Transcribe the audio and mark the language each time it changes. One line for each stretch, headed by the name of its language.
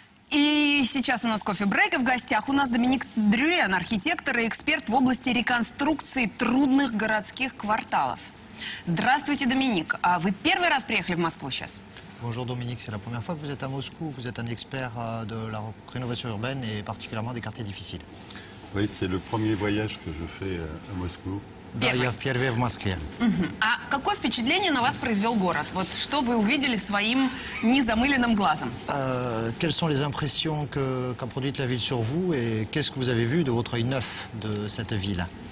Russian: сейчас у нас кофе-брейк, и в гостях у нас Доминик Дрюен, архитектор и эксперт в области реконструкции трудных городских кварталов. Здравствуйте, Доминик. А вы первый раз приехали в Москву сейчас?
French: Bonjour Dominique, c'est la première fois que vous êtes à Moscou. Vous êtes un expert de la rénovation urbaine et particulièrement des quartiers difficiles. Oui, c'est le premier voyage que je fais à Moscou.
Russian: Да, я впервые в Москве. А какое впечатление на вас произвел город? Вот что вы увидели своим незамыленным глазом?
French: Quelles sont les impressions qu'a produite la ville sur vous et qu'est-ce que vous avez vu de votre œil neuf de cette ville?